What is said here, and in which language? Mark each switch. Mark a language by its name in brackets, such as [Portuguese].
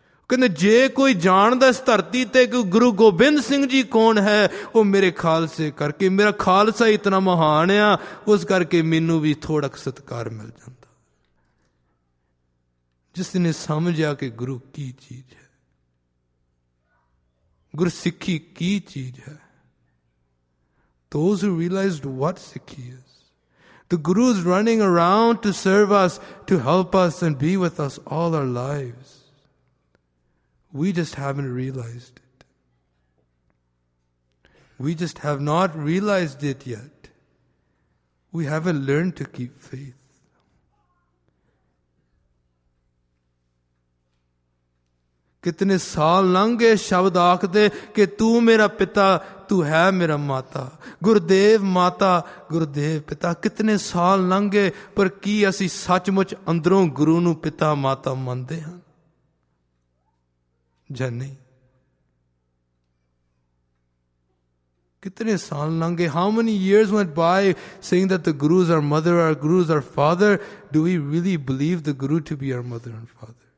[Punjabi] ਕਹਿੰਦੇ ਜੇ ਕੋਈ ਜਾਣਦਾ ਇਸ ਧਰਤੀ ਤੇ ਕਿ ਗੁਰੂ ਗੋਬਿੰਦ ਸਿੰਘ ਜੀ ਕੌਣ ਹੈ, ਉਹ ਮੇਰੇ ਖਾਲਸੇ ਕਰਕੇ, ਮੇਰਾ ਖਾਲਸਾ ਇਤਨਾ ਮਹਾਨ ਆ ਉਸ ਕਰਕੇ ਮੈਨੂੰ ਵੀ ਥੋੜਾ ਸਤਿਕਾਰ ਮਿਲ ਜਾਂਦਾ। ਜਿਸ ਨੇ ਸਮਝਿਆ ਕਿ ਗੁਰੂ ਕੀ ਚੀਜ਼ ਹੈ, ਗੁਰਸਿੱਖੀ ਕੀ ਚੀਜ਼ ਹੈ, [English] those who realized what sikhi is. The Guru is running around to serve us, to help us and be with us all our lives. We just haven't realized it. We just have not realized it yet. We haven't learned to keep faith. [Punjabi] Kitne saal lange shabd aakde ke tu mera pita, ਤੂੰ ਹੈ ਮੇਰਾ ਮਾਤਾ, ਗੁਰਦੇਵ ਮਾਤਾ ਗੁਰਦੇਵ ਪਿਤਾ। ਕਿਤਨੇ ਸਾਲ ਲੰਘੇ ਪਰ ਕੀ ਅਸੀਂ ਸੱਚਮੁੱਚ ਅੰਦਰੋਂ ਗੁਰੂ ਨੂੰ ਪਿਤਾ ਮਾਤਾ ਮੰਨਦੇ ਹਾਂ ਜਾਂ ਨਹੀਂ? ਕਿਤਨੇ ਸਾਲ ਲੰਘੇ, [English] How many years went by saying that the guru is our mother, our guru is our father, do we really believe the guru to be our mother and father?